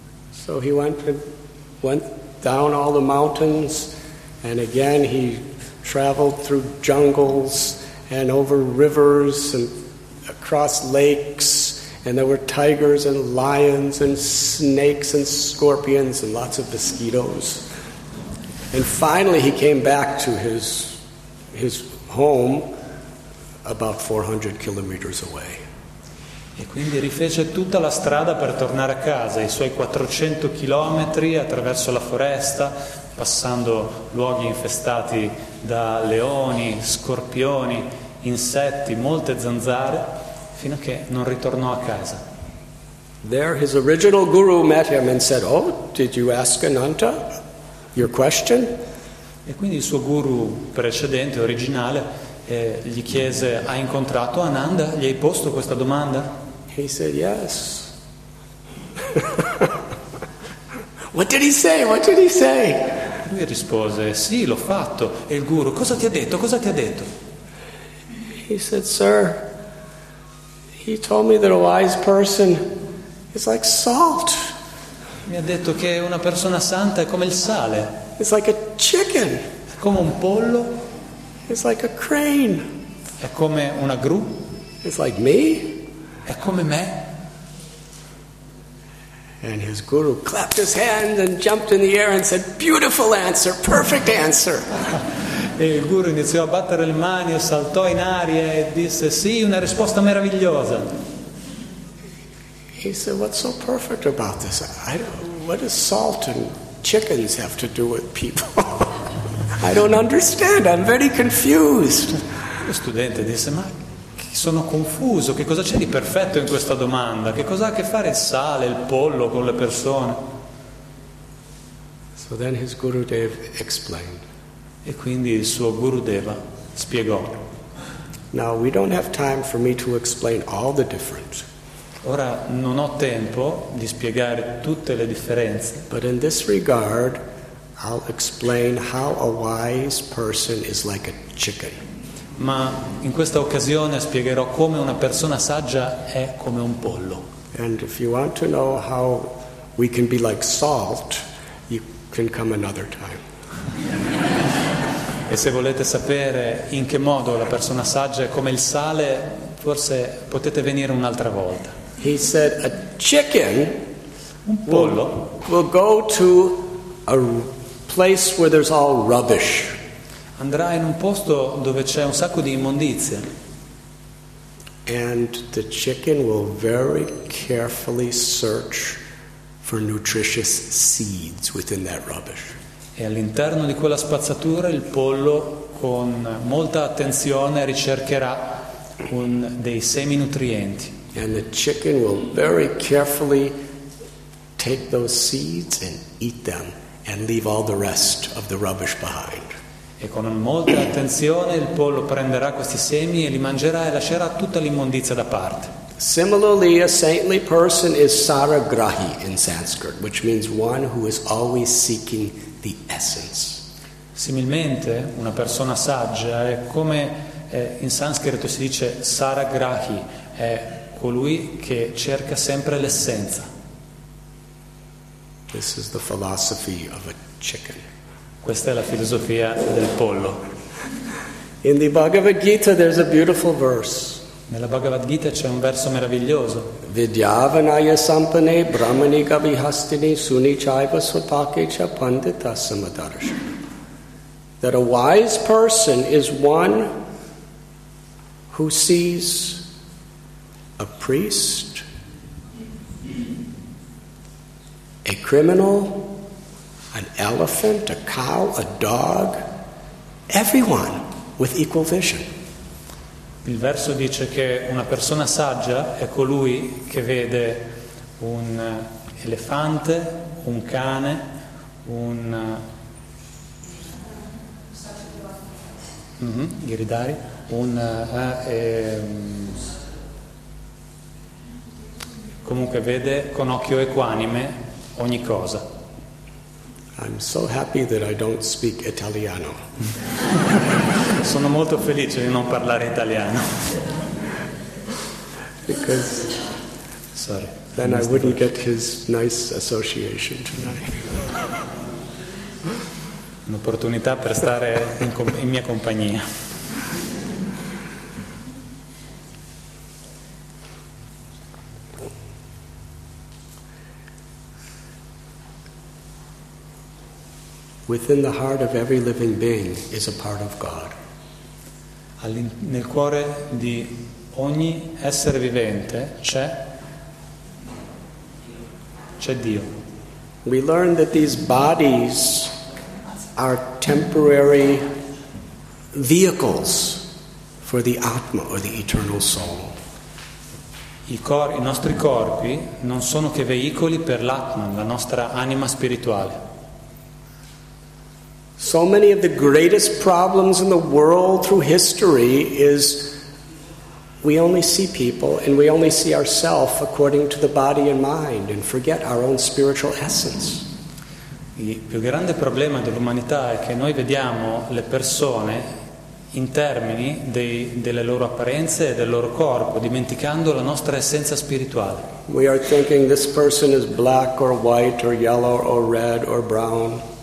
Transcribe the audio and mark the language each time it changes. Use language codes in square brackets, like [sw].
[en] So he went down all the mountains, and again he traveled through jungles and over rivers and across lakes. And there were tigers and lions and snakes and scorpions and lots of mosquitoes. And finally he came back to his home about 400 kilometers away. [it] E quindi rifece tutta la strada per tornare a casa, i suoi 400 chilometri attraverso la foresta, passando luoghi infestati da leoni, scorpioni, insetti, molte zanzare. Fino a che non ritornò a casa. [en] There his original guru met him and said, "Oh, did you ask Ananta your question?" [it] E quindi il suo guru precedente, originale, gli chiese: "Hai incontrato Ananda? Gli hai posto questa domanda?" [en] He said, "Yes." What did he say? What did he say? [it] Lui rispose: "Sì, l'ho fatto." E il guru: "Cosa ti ha detto? Cosa ti ha detto?" [en] He said, "Sir, he told me that a wise person is like salt." [it] Mi ha detto che una persona santa è come il sale. [en] It's like a chicken. [it] È come un pollo. [en] It's like a crane. [it] È come una gru. [en] It's like me. [it] È come me. [en] And his guru clapped his hands and jumped in the air and said, "Beautiful answer, perfect answer." [it] E il guru iniziò a battere le mani e saltò in aria e disse: "Sì, una risposta meravigliosa." [en] He said, "What's so perfect about this? I don't, what does salt and chickens have to do with people? I don't understand. I'm very confused." [it] Lo studente disse: "Ma sono confuso. Che cosa c'è di perfetto in questa domanda? Che cosa ha a che fare il sale, il pollo con le persone?" [en] So then his guru Dev explained. [it] E quindi il suo Gurudeva spiegò. [en] Now we don't have time for me to explain all the difference. [it] Ora non ho tempo di spiegare tutte le differenze. [en] But in this regard, I'll explain how a wise person is like a chicken. [it] Ma in questa occasione spiegherò come una persona saggia è come un pollo. [en] And if you want to know how we can be like salt, you can come another time. [it] E se volete sapere in che modo la persona saggia è come il sale, forse potete venire un'altra volta. [en] He said, a chicken, [it] un pollo, [en] will go to a place where there's all rubbish. [it] Andrà in un posto dove c'è un sacco di immondizie. [en] And the chicken will very carefully search for nutritious seeds within that rubbish. [it] E all'interno di quella spazzatura il pollo con molta attenzione ricercherà dei semi nutrienti. [en] And the chicken will very carefully take those seeds and eat them and leave all the rest of the rubbish behind. [it] E con molta attenzione il pollo prenderà questi semi e li mangerà e lascerà tutta l'immondizia da parte. [en] Similarly, a saintly person is saragrahi in Sanskrit, which means one who is always seeking the essence. [it] Similmente, una persona saggia è come in sanscrito si dice saragrahi, è colui che cerca sempre l'essenza. [en] This is the philosophy of a chicken. [it] Questa è la filosofia del pollo. [en] In the Bhagavad Gita there's a beautiful verse. [it] Nella Bhagavad Gita c'è un verso meraviglioso. [sa] Vidyavanaya sampane brahmani gavihastini sunichaiva sopake cha pandita samadarsha. [en] That a wise person is one who sees a priest, a criminal, an elephant, a cow, a dog, everyone with equal vision. [it] Il verso dice che una persona saggia è colui che vede un elefante, un cane, un gridare, un comunque vede con occhio equanime ogni cosa. [en] I'm so happy that I don't speak Italiano. [it] Sono molto felice di non parlare italiano. [en] Because sorry, then I wouldn't get his nice association tonight. [it] Un'opportunità per stare in mia compagnia. [en] Within the heart of every living being is a part of God. [it] Nel cuore di ogni essere vivente c'è Dio. [en] We learn that these bodies are temporary vehicles for the Atma or the eternal soul. [it] I nostri corpi non sono che veicoli per l'Atma, la nostra anima spirituale. [en] So many of the greatest problems in the world through history is we only see people and we only see ourselves according to the body and mind and forget our own spiritual essence. [it] Il più grande problema dell'umanità è che noi vediamo le persone in termini delle loro apparenze e del loro corpo, dimenticando la nostra essenza spirituale. [en] We are thinking this person is black or white or yellow or red or brown.